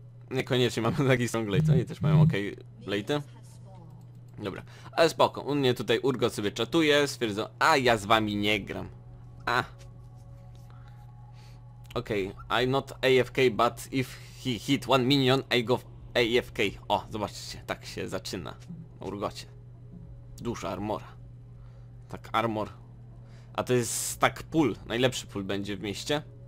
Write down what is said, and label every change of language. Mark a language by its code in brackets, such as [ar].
[pl] Niekoniecznie mamy taki [en] strong lead. [pl] Oni też mają okej late. Dobra, ale spoko. U mnie tutaj Urgot sobie czatuje, stwierdzą, a ja z wami nie gram. A. Okej, okay. [en] I'm not AFK, but if he hit one minion, I go AFK. [pl] O, zobaczcie, tak się zaczyna. Na Urgocie. Duża armora. Tak, armor. A to jest stack pull. Najlepszy pull będzie w mieście.